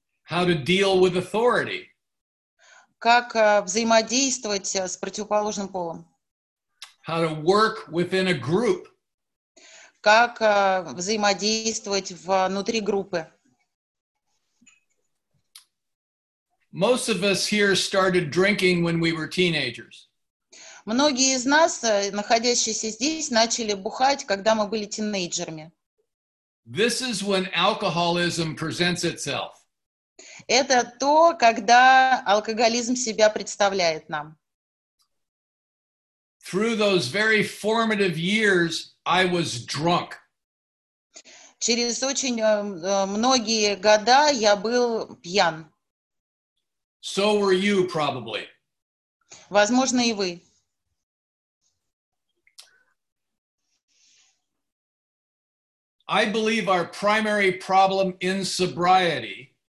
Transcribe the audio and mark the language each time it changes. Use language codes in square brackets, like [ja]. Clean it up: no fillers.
[en] How to deal with authority. [ru] Как взаимодействовать с противоположным полом. [en] How to work within a group. [ru] Как взаимодействовать внутри группы. [en] Most of us here started drinking when we were teenagers. [ru] Многие из нас, находящиеся здесь, начали бухать, когда мы были тинейджерами. [en] This is when alcoholism presents itself. [ru] Это то, когда алкоголизм себя представляет нам. [en] Through those very formative years, I was drunk. [ru] Через очень многие года я был пьян. [en] So were you, probably. [ru] Возможно, и вы. [en] I believe our primary problem in sobriety.